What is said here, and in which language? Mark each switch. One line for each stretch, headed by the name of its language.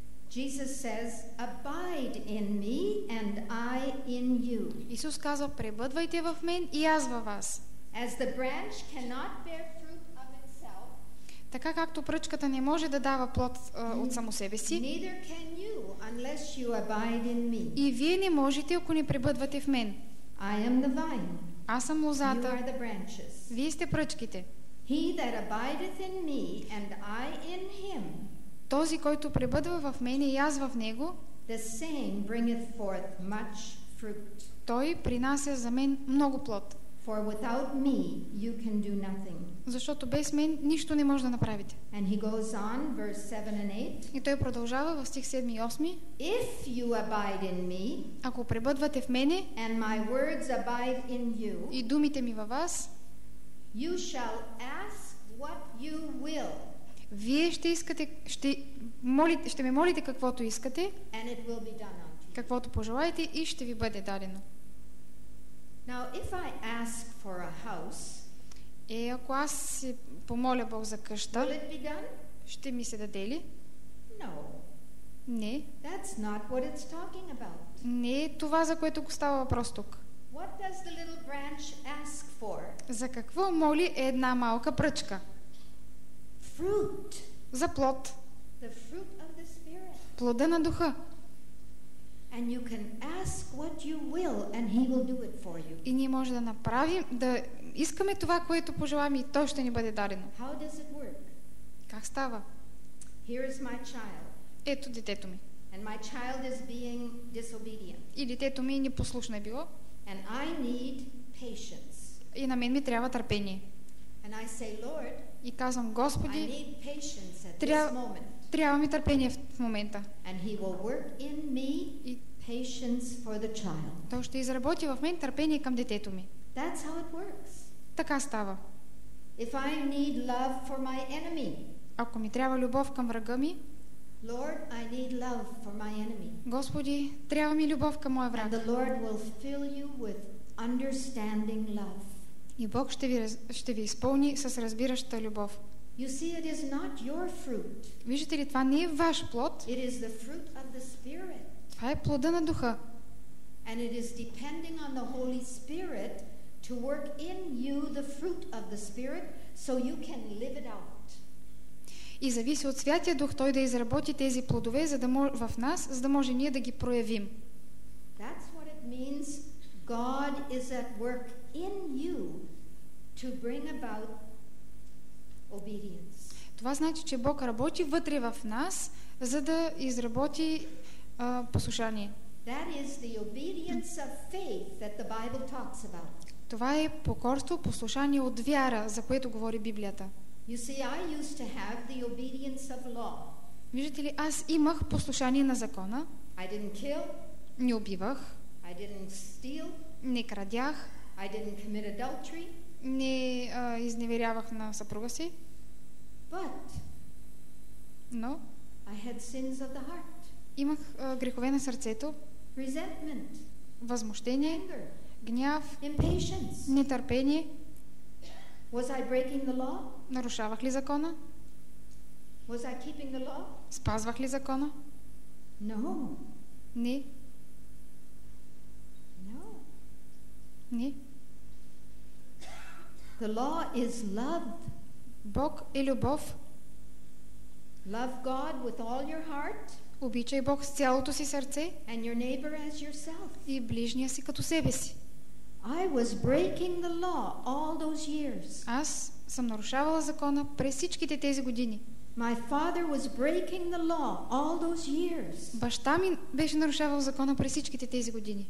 English: Jesus says, abide in me and I in you.
Bulgarian: Исус казва, пребъдвайте в мен и аз във вас.
English: As the branch cannot bear fruit of itself,
Bulgarian: така както пръчката не може да дава плод от само себе си,
English: neither can you unless you abide in me.
Bulgarian: И вие не можете, ако не пребъдвате в мен.
English: I am the vine.
Bulgarian: Аз съм лозата.
English: You are the branches.
Bulgarian: Вие сте пръчките.
English: He that abideth in me and I in him.
Bulgarian: Този, който пребъдва в мене и аз в него,
English: the same bringeth forth much fruit.
Bulgarian: Той принася за мен много плод.
English: For without me, you can do nothing.
Bulgarian: Защото без мен нищо не може да направите.
English: And he goes on, verse 7 and 8.
Bulgarian: И той продължава в стих 7 и 8.
English: If you abide in me,
Bulgarian: ако пребъдвате в мене,
English: and my words abide in you,
Bulgarian: и думите ми във вас,
English: you shall ask what you will.
Bulgarian: Вие ще искате, ще ме молите каквото искате,
English: and it will be done unto you.
Bulgarian: Каквото пожелаете и ще ви бъде дадено.
English: Now, if I ask for a house,
Bulgarian: е, ако аз си помоля Бог за къща,
English: will it be done?
Bulgarian: Ще ми се даде ли?
English: No.
Bulgarian: Не.
English: That's not what it's talking about.
Bulgarian: Не е това, за което го става въпрос тук.
English: What does the little branch ask for?
Bulgarian: За какво моли една малка пръчка?
English: Fruit.
Bulgarian: За плод.
English: The fruit of the Spirit.
Bulgarian: Плода на духа.
English: And you can ask what you will and he will do it for you.
Bulgarian: И ние може да направим да искаме това, което пожелаваме, и то ще ни бъде дарено.
English: How does it work?
Bulgarian: Как става?
English: Here is my child.
Bulgarian: Ето детето ми.
English: And my child is being disobedient.
Bulgarian: И детето ми непослушно е било.
English: And I need patience.
Bulgarian: И на мен ми трябва търпение.
English: And I say, Lord,
Bulgarian: и казвам, Господи,
English: I need patience at this moment.
Bulgarian: Трябва ми търпение в момента.
English: And he will work in me patience for the child.
Bulgarian: Той ще изработи в мен търпение към детето ми.
English: That's how it works.
Bulgarian: Така става.
English: If I need love for my enemy,
Bulgarian: ако ми трябва любов към врага ми,
English: Lord, I need love for my enemy.
Bulgarian: Господи, трябва ми любов към моя враг.
English: And the Lord will fill you with understanding love.
Bulgarian: И Бог ще ви изпълни с разбираща любов.
English: You see, it is not your fruit.
Bulgarian: Виждате ли, това не е ваш плод.
English: It is the fruit of the Spirit.
Bulgarian: Това е плода на духа.
English: And it is depending on the Holy Spirit to work in you the fruit of the Spirit so you can live it out.
Bulgarian: И зависи от Святия Дух той да изработи тези плодове в нас, за да може ние да ги проявим.
English: That's what it means. God is at work in you to bring about obedience.
Bulgarian: Това значи, че Бог работи вътре в нас, за да изработи послушание.
English: That is the obedience of faith that the Bible talks about.
Bulgarian: Това е покорство, послушание от вяра, за което говори Библията.
English: You see, I used to have the obedience of law.
Bulgarian: Виждате ли, аз имах послушание на закона.
English: I didn't kill.
Bulgarian: Не убивах.
English: I didn't steal.
Bulgarian: Не крадях.
English: I didn't commit adultery.
Bulgarian: Не изневерявах на съпруга си.
English: But,
Bulgarian: но
English: I had sins of the heart.
Bulgarian: Имах грехове на сърцето.
English: Resentment.
Bulgarian: Възмущение.
English: Anger.
Bulgarian: Гняв.
English: Impatience.
Bulgarian: Нетърпение.
English: Was I breaking the law?
Bulgarian: Нарушавах ли закона?
English: Was I keeping the law?
Bulgarian: Спазвах ли закона?
English: No.
Bulgarian: Не.
English: No.
Bulgarian: Не.
English: The law is love.
Bulgarian: Бог е любов.
English: Love God with all your heart.
Bulgarian: Обичай Бог с цялото си сърце.
English: And your neighbor as yourself.
Bulgarian: И ближния си като себе си.
English: I was breaking the law all those years.
Bulgarian: Аз съм нарушавала закона през всичките тези години.
English: My father was breaking the law all those years.
Bulgarian: Баща ми беше нарушавал закона през всичките тези години.